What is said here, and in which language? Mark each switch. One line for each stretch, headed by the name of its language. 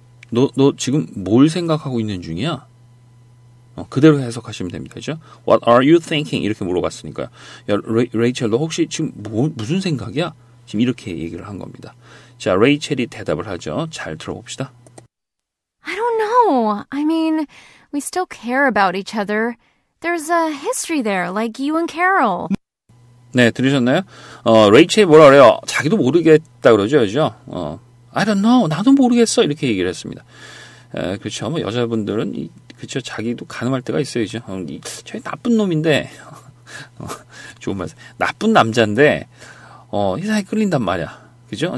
Korean: 너 지금 뭘 생각하고 있는 중이야? 그대로 해석하시면 됩니다. 그렇죠?
English: What are you thinking?
Korean: 이렇게 물어봤으니까요. 야, 레이첼, 너 혹시 지금 무슨 생각이야? 지금 이렇게 얘기를 한 겁니다. 자, 레이첼이 대답을 하죠. 잘 들어봅시다.
English: I don't know. I mean, we still care about each other. There's a history there, like you and Carol.
Korean: 네, 들으셨나요? 레이첼이 뭐라 그래요? 자기도 모르겠다 그러죠, 그렇죠?
English: I don't know.
Korean: 나도 모르겠어. 이렇게 얘기를 했습니다. 그렇죠. 뭐 여자분들은 그렇죠. 자기도 가늠할 때가 있어야죠. 저희 나쁜 놈인데 좋은 말. 나쁜 남자인데 이상하게 끌린단 말이야. 그렇죠.